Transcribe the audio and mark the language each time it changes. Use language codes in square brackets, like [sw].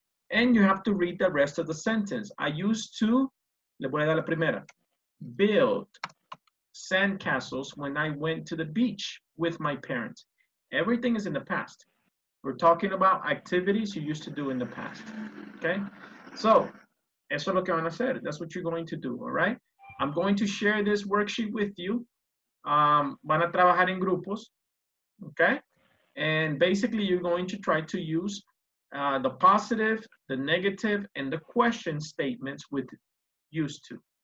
[en] And you have to read the rest of the sentence. I used to, [es] le voy a dar la primera, [en] build sandcastles when I went to the beach with my parents. Everything is in the past. We're talking about activities you used to do in the past, okay? [es] So, eso es lo que van a hacer. [en] That's what you're going to do, all right? I'm going to share this worksheet with you. [es] Van a trabajar en grupos, [en] okay? And basically, you're going to try to use the positive, the negative, and the question statements with used to.